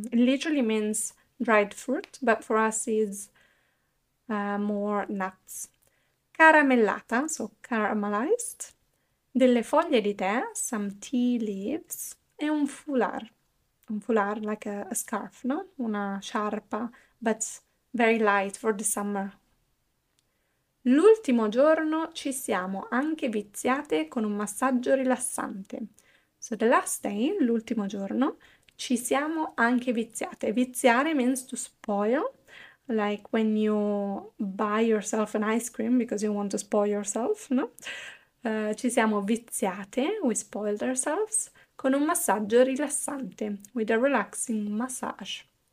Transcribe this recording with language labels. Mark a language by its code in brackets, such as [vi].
[en] It literally means dried fruit, but for us is more nuts. [it] Caramellata, [en] so caramelized. [it] Delle foglie di tè, [en] some tea leaves. [it] E un foulard. [en] Un foulard, like a scarf, no? [it] Una sciarpa, [en] but very light for the summer. [it] L'ultimo giorno ci siamo anche viziate con un massaggio rilassante. [en] So the last day, [it] l'ultimo giorno, ci siamo anche viziate. [en] Viziare means to spoil, like when you buy yourself an ice cream because you want to spoil yourself, no? [it] Ci siamo viziate, [en] we spoiled ourselves, [it] con un massaggio rilassante, [en] with a relaxing massage.